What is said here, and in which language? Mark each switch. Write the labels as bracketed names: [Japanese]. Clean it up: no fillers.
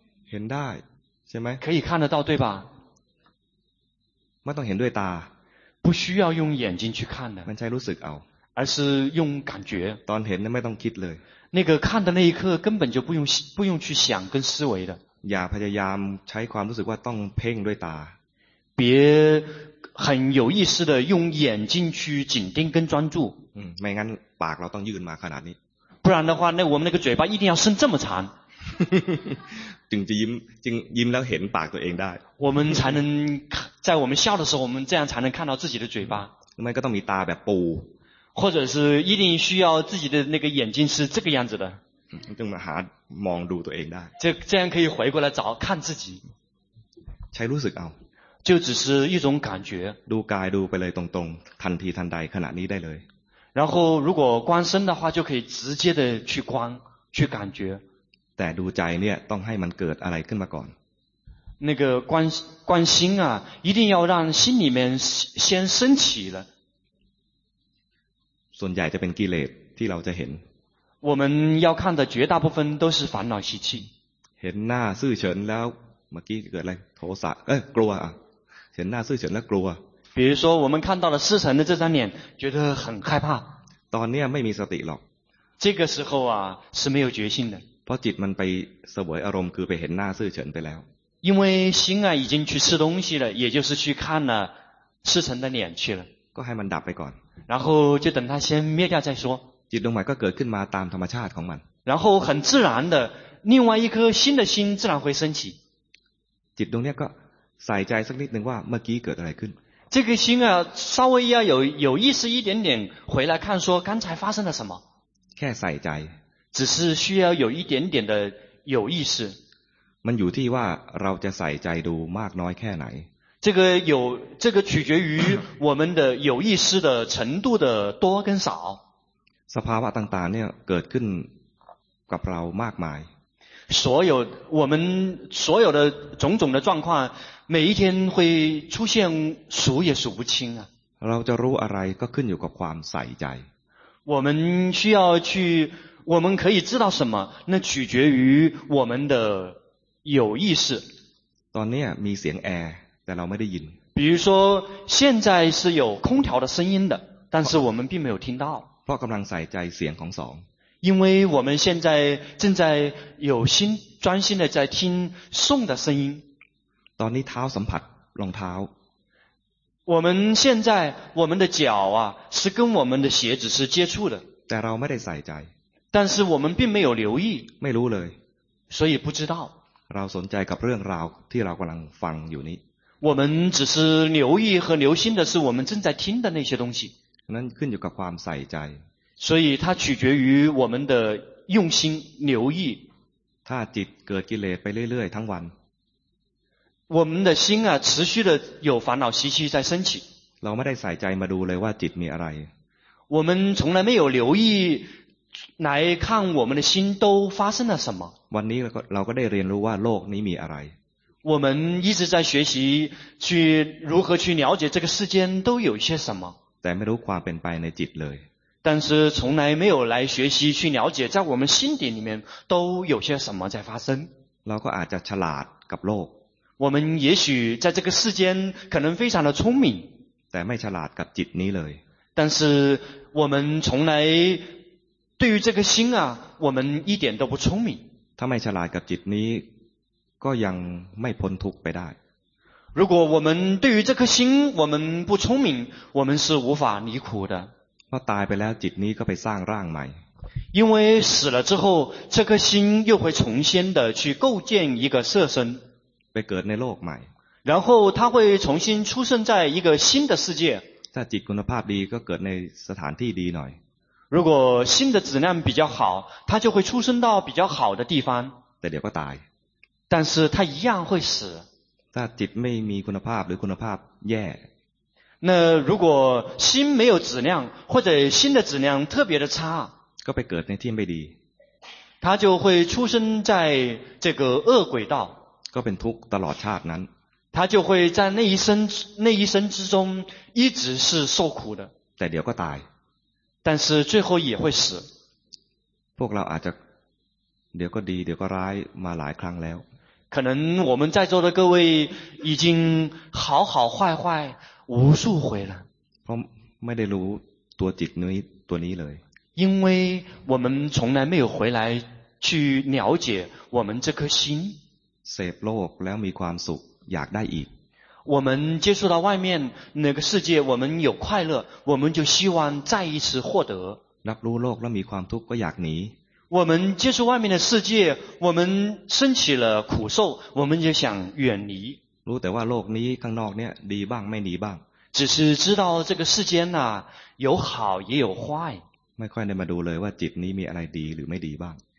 [Thai] เห็นได้ใช่ไหม [Chinese] 可以看得到对吧 [Thai] ไม่ต้องเห็นด้วยตา [Chinese] 不需要用眼睛去看的 [Thai] มันใช้รู้สึกเอา [Chinese] 而是用感觉 [Thai] ตอนเห็นไม่ต้องคิดเลย [Chinese] 那个看的那一刻根本就不用去想跟思维的 [Thai] อย่าพยายามใช้ความรู้สึกว่าต้องเพ่งด้วยตา [Chinese] 别很有意思的用眼睛去紧盯跟专注。 [Thai] 嗯，ไม่งั้นปากเราต้องยืนมาขนาดนี้ [Chinese] 不然的话那我们那个嘴巴一定要伸这么长 [Thai] จึงจะยิ้มจึงยิ้มแล้วเห็นปากตัวเองได้ [Chinese] 我们才能在我们笑的时候我们这样才能看到自己的嘴巴 [Thai] ไม่ก็ต้องมีตาแบบปู [Chinese] 或者是一定需要自己的那个眼睛是这个样子的 [Thai] จึงมาหามองดูตัวเองได้ [Chinese] 这样可以回过来找看自己 [Thai] ใช้รู้สึกเอา [Chinese] 就只是一种感觉 [Thai] ดูกายดูไปเลยตรงๆทันทีทันใดขณะนี้ได้เลย [Chinese] 然后如果观身的话就可以直接的去观去感觉 [Thai] แต่ดูใจเนี่ยต้องให้มันเกิดอะไรขึ้นมาก่อน [Chinese] 那个观心啊一定要让心里面先升起了 [Thai] ส่วนใหญ่จะเป็นกิเลสที่เราจะเห็น [Chinese] 我们要看的绝大部分都是烦恼习气 [Thai] เห็นหน้าซื่อเฉินแล้วเมื่อกี้เกิดอะไรโทสะกลัวเห็นหน้าซื่อเฉินแล้วกลัว [Chinese] 比如说我们看到了四成的这张脸觉得很害怕 [Thai] ตอนนี้ไม่มีสติหรอก [Chinese] 这个时候啊是没有决心的 [Thai] เพราะจิตมันไปเสวยอารมณ์คือไปเห็นหน้าซื่อเฉินไปแล้ว [Chinese] 因为心啊已经去吃东西了也就是去看了赤诚的脸去了 [Thai] ก็ให้มันดับไปก่อน [Chinese] 然后就等它先灭掉再说 [Thai] จิตดวงใหม่ก็เกิดขึ้นมาตามธรรมชาติของมัน [Chinese] 然后很自然的另外一颗新的心自然会升起 [Thai] จิตดวงนี้ก็ใส่ใจสักนิดนึงว่าเมื่อกี้เกิดอะไรขึ้น [Chinese] 这个心啊稍微要有意识一点点回来看说刚才发生了什么 [Thai] แค่ใส่ใจ [Chinese] 只是需要有一点点的有意识 [Thai] มันอยู่ที่ว่าเราจะใส่ใจดูมากน้อยแค่ไหน [Chinese] 这个取决于我们的有意识的程度的多跟少 [Thai] สภาวะต่างๆเนี่ยเกิดขึ้นกับเรามากมาย [Chinese] 所有的种种的状况每一天会出现数也数不清啊 [Thai] เราจะรู้อะไรก็ขึ้นอยู่กับความใส่ใจ [Chinese] 我们可以知道什么那取决于我们的有意识 [Thai] ตอนนี้มีเสียงแอร์แต่เราไม่ได้ยิน [Chinese] 比如说现在是有空调的声音的但是我们并没有听到 [Thai] เพราะกำลังใส่ใจเสียงของสอง [Chinese] 因为我们现在正在有心专心的在听诵的声音 [Thai] ตอนนี้เท้าสัมผัสรองเท้า [Chinese] 我们的脚啊是跟我们的鞋子是接触的 [Thai] แต่เราไม่ได้ใส่ใจ [Chinese] 但是我们并没有留意 [Thai] ไม่รู้เลย [Chinese] 所以不知道 [Thai] เราสนใจกับเรื่องราวที่เรากำลังฟังอยู่นี้ [Chinese] 我们只是留意和留心的是我们正在听的那些东西 [Thai] นั้นขึ้นอยู่กับความใส่ใจ [Chinese] 所以它取决于我们的用心留意 [Thai] ถ้าจิตเกิดกิเลสไปเรื่อยๆทั้งวัน [Chinese] 我们的心啊持续的有烦恼习气在升起 [Thai] เราไม่ได้ใส่ใจมาดูเลยว่าจิตมีอะไร [Chinese] 我们从来没有留意来看我们的心都发生了什么 [Thai] วันนี้เราก็ได้เรียนรู้ว่าโลกนี้มีอะไร [Chinese] 我们一直在学习去如何去了解这个世间都有些什么 [Thai] แต่ไม่รู้ความเป็นไปในจิตเลย [Chinese] 但是从来没有来学习去了解在我们心底里面都有些什么在发生 [Thai] เราก็อาจจะฉลาดกับโลก [Chinese] 我们也许在这个世间可能非常的聪明 [Thai] แต่ไม่ฉลาดกับจิตนี้เลย [Chinese] 但是我们从来对于这个心啊我们一点都不聪明 [Thai] ถ้าไม่ฉลาดกับจิตนี้ก็ยังไม่พ้นทุกข์ไปได้ [Chinese] 如果我们对于这颗心我们不聪明我们是无法离苦的 [Thai] พอตายไปแล้วจิตนี้ก็ไปสร้างร่างใหม่ [Chinese] 因为死了之后这颗心又会重新的去构建一个色身 [Thai] ไปเกิดในโลกใหม่ [Chinese] 然后它会重新出生在一个新的世界 [Thai] ถ้าจิตคุณภาพดีก็เกิดในสถานที่ดีหน่อย [Chinese] 如果心的质量比较好他就会出生到比较好的地方 [Thai] แต่เดี๋ยวก็ตาย [Chinese] 但是他一样会死 [Thai] ถ้าจิตไม่มีคุณภาพหรือคุณภาพแย่ [Chinese] 那如果心没有质量或者心的质量特别的差 [Thai] ก็ไปเกิดในที่ไม่ดี [Chinese] 他就会出生在这个恶轨道 [Thai] ก็เป็นทุกข์ตลอดชาตินั้น [Chinese] 他就会在那一生之中一直是受苦的 [Thai] แต่เดี๋ยวก็ตาย แต่สุดท้ายก็ยังจะตาย พวกเราอาจจะเดี๋ยวก็ดีเดี๋ยวก็ร้ายมาหลายครั้งแล้ว [Chinese] 可能我们在座的各位已经好好坏坏无数回了 [Thai] เพราะไม่ได้รู้ตัวจิตนี้ตัวนี้เลย [Chinese] 因为我们从来没有回来去了解我们这颗心 [Thai] เสพโลกแล้วมีความสุขอยากได้อีก [Chinese] 我们接触到外面那个世界，我们有快乐，我们就希望再一次获得。 [Thai] รับรู้โลกแล้วมีความทุกข์ก็อยากหนี。 [Chinese] 我们接触外面的世界，我们升起了苦受，我们就想远离。 [Thai] รู้แต่ว่าโลกนี้ข้างนอกเนี่ยดีบ้างไม่ดีบ้าง。 [Chinese] 只是知道这个世间呐，有好也有坏。 [Thai] ไม่ค่อยได้มาดูเลยว่าจิตนี้มีอะไรดีหรือไม่ดีบ้าง。